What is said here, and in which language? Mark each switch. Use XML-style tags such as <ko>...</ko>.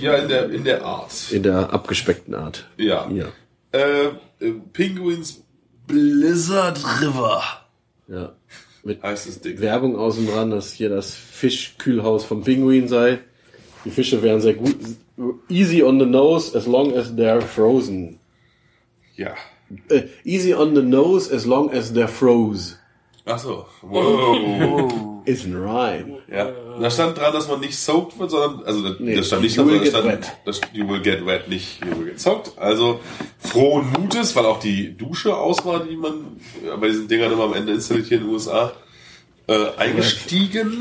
<de>Ja, in der Art. In der abgespeckten Art. Ja. Ja. Penguins Blizzard River. Ja. Mit heißt das Ding. Werbung außen dran, dass hier das Fischkühlhaus vom Pinguin sei. Die Fische wären sehr gut.</de> <en>Easy on the nose, as long as they're frozen.</en> <de>Ja.</de> <en>Easy on the nose, as long as they're froze.</en> <de>Ach so. Wow. Ist ein Rhyme. Ja. Da stand dran, dass man nicht soaked wird, sondern, also, das stand nicht dran,</de> <en>you will get wet,</en> <de>nicht</de> <en>you will get soaked.</en> <de>Also, frohen Mutes, weil auch die Dusche aus war, die man bei diesen Dingern immer am Ende installiert hier in den USA, eingestiegen.</de>